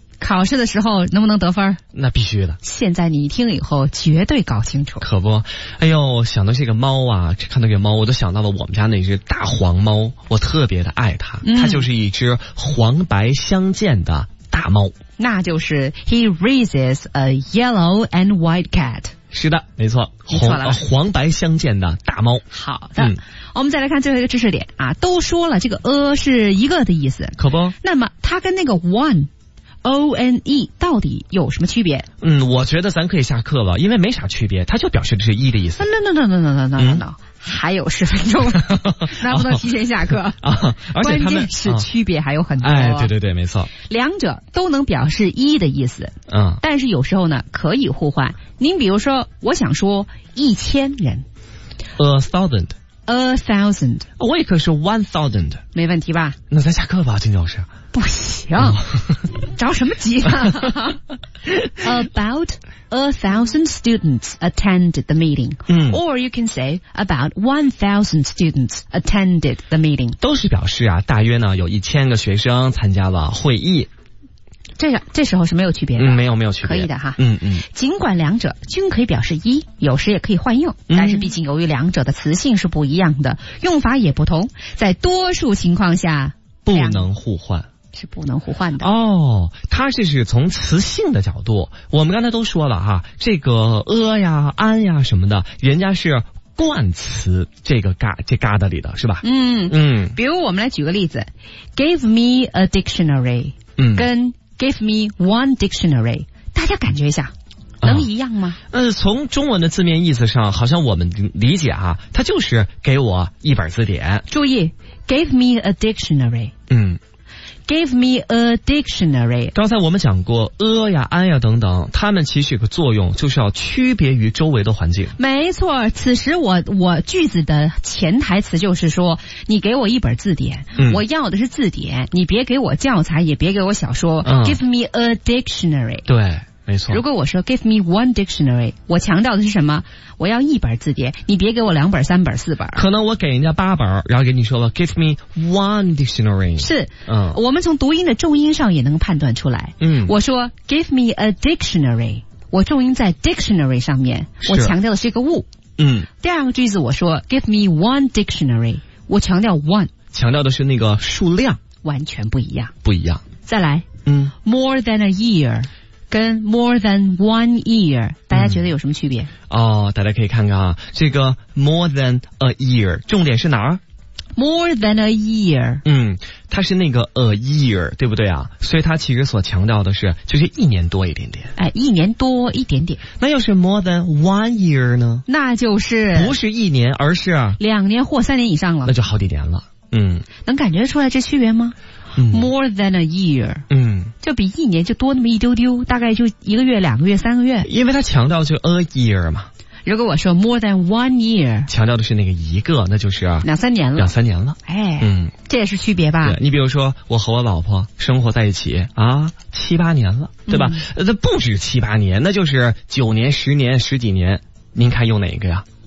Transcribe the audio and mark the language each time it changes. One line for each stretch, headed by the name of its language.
Chinese: 考试的时候能不能得分？那必须的。现在你听了以后绝对搞清楚。可不，哎呦，想到这个猫啊，看到这个猫我都想到了我们家那只大黄猫，我特别的爱它、嗯、它就是一只黄白相间的大猫。那就是
English: He raises a yellow and white cat。
Chinese: 是的，没错，黄白相间的大猫。好的、嗯、我们再来看最后一个知识点啊，都说了这个是一个的意思，可不，那么它跟那个 one O-N-E 到底有什么区别？嗯，我觉得咱可以下课了，因为没啥区别，它就表示的是一的意思。
English: No
Chinese: 还有十分钟能不能提前下课啊？而且他们关键是区别还有很多、啊、哎，对对对，没错，两者都能表示一的意思。嗯，但是有时候呢可以互换，您比如说我想说一千人，
English: A thousand，
Chinese: 我也可以说 1000，没问题吧？那咱下课吧，金老师。不行、哦、着什么急啊
English: About 1000 students attended the meeting、嗯、 Or you can say about 1000 students attended the meeting，
Chinese: 都是表示啊大约呢有一千个学生参加了会议。这时候是没有区别的、嗯、没有没有区别，可以的哈。嗯嗯，尽管两者均可以表示一，有时也可以换用，但是毕竟由于两者的词性是不一样的、嗯、用法也不同，在多数情况下不能互换，是不能互换的。哦，它这是从词性的角度，我们刚才都说了哈，这个呀安呀什么的，人家是冠词这疙瘩里的是吧。嗯嗯，比如我们来举个例子，
English: Give me a dictionary、
Chinese: 嗯、跟
English: Give me one dictionary，
Chinese: 大家感觉一下，能一样吗？从中文的字面意思上，好像我们理解啊，它就是给我一本字典。
English: 注意 ，give me a dictionary。嗯，give me a dictionary。
Chinese: 刚才我们讲过呀、安呀等等，它们其实有个作用，就是要区别于周围的环境。没错，此时我句子的潜台词就是说，你给我一本字典、嗯，我要的是字典，你别给我教材，也别给我小说。嗯、
English: give me a dictionary。
Chinese: 对。没错，如果我说
English: give me one dictionary，
Chinese: 我强调的是什么？我要一本字典，你别给我两本三本四本。可能我给人家八本，然后给你说了
English: give me one dictionary。
Chinese: 是、嗯、我们从读音的重音上也能判断出来。嗯，我说
English: give me a dictionary，
Chinese: 我重音在 dictionary 上面，我强调的是一个物。嗯，第二个句子我说
English: give me one dictionary，
Chinese: 我强调 one，强调的是那个数量，完全不一样。不一样。再来，嗯，
English: more than a year跟 more than one year，
Chinese: 大家觉得有什么区别？
English: 嗯、
Chinese: 哦，大家可以看看啊，这个
English: more than a year，
Chinese: 重点是哪儿？
English: more than a year，
Chinese: 嗯，它是那个
English: a year，
Chinese: 对不对啊？所以它其实所强调的是，就是一年多一点点。哎，一年多一点点。那要是
English: more than one year
Chinese: 呢？那就是不是一年，而是两年或三年以上了。那就好几年了。嗯，能感觉出来这区别吗？嗯、
English: More than a year，
Chinese: 嗯，就比一年就多那么一丢丢，大概就一个月、两个月、三个月。因为他强调就
English: a year
Chinese: 嘛。如果我说
English: more than one year，
Chinese: 强调的是那个一个，那就是两三年了。两三年了，哎，嗯，这也是区别吧？对，你比如说我和我老婆生活在一起啊，七八年了，对吧？那、不止七八年，那就是九年、十年、十几年。您看用哪个呀？